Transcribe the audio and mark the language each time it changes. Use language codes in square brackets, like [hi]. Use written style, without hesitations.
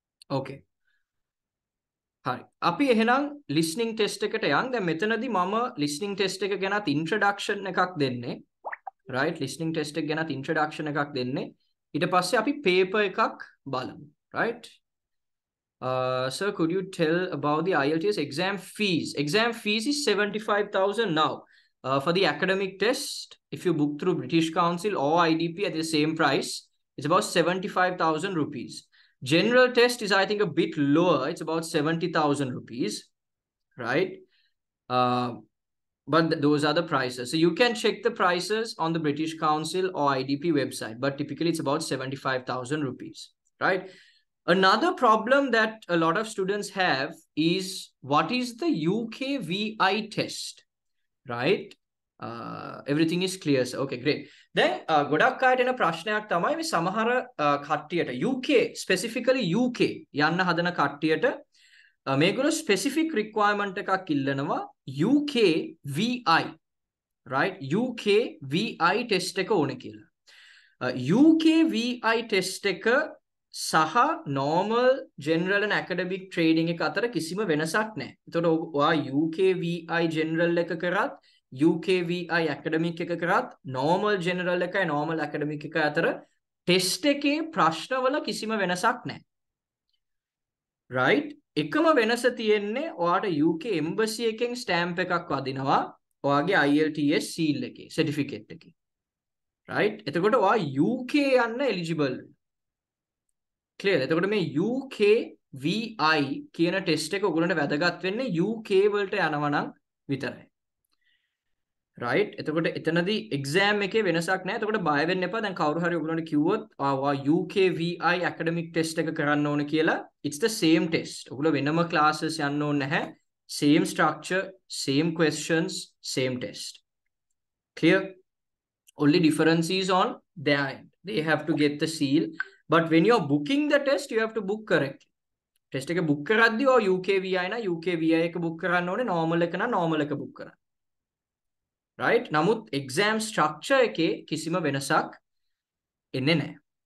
[si] Okay. හරි. අපි එහෙනම් listening test එකට යන්. දැන් මෙතනදී මම listening test එක ගැනත් introduction එකක් දෙන්නේ. Right? Listening test එක ගැනත් introduction එකක් දෙන්නේ. ඊට පස්සේ අපි paper එකක් බලමු. [en] Right? Sir, could you tell about the IELTS exam fees? Exam fees is 75,000 now. For the academic test, if you book through British Council or IDP at the same price, it's about 75,000 rupees. General test is, I think, a bit lower. It's about 70,000 rupees, right? But those are the prices. So you can check the prices on the British Council or IDP website. But typically, it's about 75,000 rupees, right? Another problem that a lot of students have is, what is the UK VI test? Right? Everything is clear, sir. Okay, great. [si] Then, ගොඩක් අයට එන ප්‍රශ්නයක් තමයි මේ සමහර කට්ටියට UK, specifically UK, යන්න හදන කට්ටියට මේගොල්ලෝ specific requirement එකක් ඉල්ලනවා UK VI. [en] Right? [si] UK VI test එක ඕන කියලා. UK VI test එක සහ normal, general and academic training එක අතර කිසිම වෙනසක් නැහැ. එතකොට ඔයා UK VI general එක කරත්, UK VI academic එක කරත්, normal general එකයි normal academic එක අතර test එකේ ප්‍රශ්නවල කිසිම වෙනසක් නැහැ. Right? එකම වෙනස තියෙන්නේ ඔයාට UK embassy එකෙන් stamp එකක් වදිනවා ඔයාගේ IELTS seal එකේ, certificate එකේ. Right? එතකොට ඔයා UK යන්න eligible. Clear. එතකොට මේ UK VI කියන test එක ඔගොල්ලන්ට වැදගත් වෙන්නේ UK වලට යනවා නම් විතරයි. Right? එතකොට එතනදී exam එකේ වෙනසක් නැහැ. එතකොට බය වෙන්න එපා. දැන් කවුරු හරි ඔගොල්ලන්ට කිව්වොත් ආවා UK VI academic test එක කරන්න ඕන කියලා. [en] It's the same test. [si] ඔගොල්ලෝ වෙනම classes යන්න ඕනේ නැහැ. [en] Same structure, same questions, same test. Clear? Only difference is on their end. They have to get the seal. But when you're booking the test, you have to book correctly. [si] Test එක book කරද්දී ඔය UK VI නะ UK VI එක book කරන්න ඕනේ normal එක නะ normal එක book කරන්න. Right? නමුත් exam structure එකේ කිසිම වෙනසක් එන්නේ නැහැ.